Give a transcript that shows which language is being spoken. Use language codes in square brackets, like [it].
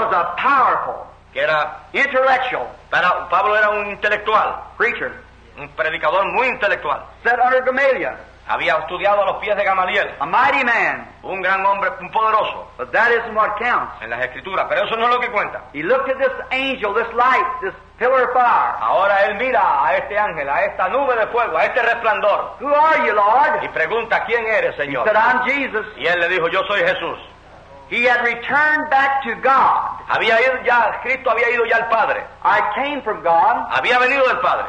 [en] Was a powerful. [es] Que era [en] intellectual. [es] Para Pablo era un intelectual. [en] Preacher. [es] Un predicador muy intelectual. [en] Sat under Gamaliel. [es] Había estudiado a los pies de Gamaliel. [en] A mighty man. [es] Un gran hombre, un poderoso. [en] But that isn't what counts. [es] En las escrituras, pero eso no es lo que cuenta. [en] He looked at this angel, this light, this pillar of fire. [es] Ahora él mira a este ángel, a esta nube de fuego, a este resplandor. [en] Who are you, Lord? [es] Y pregunta, ¿quién eres, Señor? [en] He said, I'm Jesus. [es] Y él le dijo, yo soy Jesús. [en] He had returned back to God. [es] Había ido ya, Cristo había ido ya al Padre. [en] I came from God. [es] Había venido del Padre.